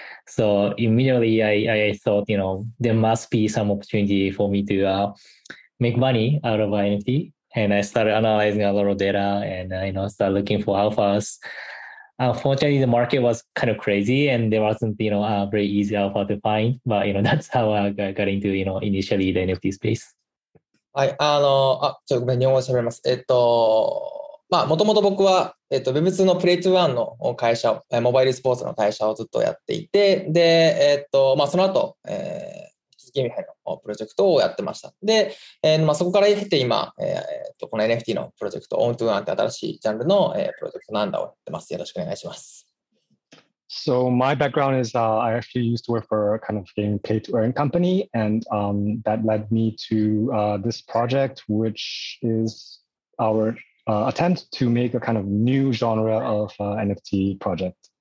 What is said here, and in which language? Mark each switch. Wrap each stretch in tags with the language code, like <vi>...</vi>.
<en>So immediately I thought, you know, there must be some opportunity for me to make money out of NFT. And I started analyzing a lot of data and started looking for alphas. Unfortunately, the market was kind of crazy and there wasn't, you know, a very easy alpha to find. But, you know, that's how I got into, you know, initially the NFT space.</en> <ja>はい、ちょっと日本語喋ります。まあ、もともと僕は、Web2 のプレイトゥワンの会社、モバイルスポーツの会社をずっとやっていて、で、まあ、その後、引き継ぎのプロジェクトをやってました。で、まあ、そこから経て今、この NFT のプロジェクト、オントゥワンって新しいジャンルの、プロジェクトなんだをやってます。よろしくお願いします。</ja> <en>So my background is I actually used to work for a kind of game pay to earn company, and that led me to this project, which is our attempt to make a kind of new genre of NFT project.</en>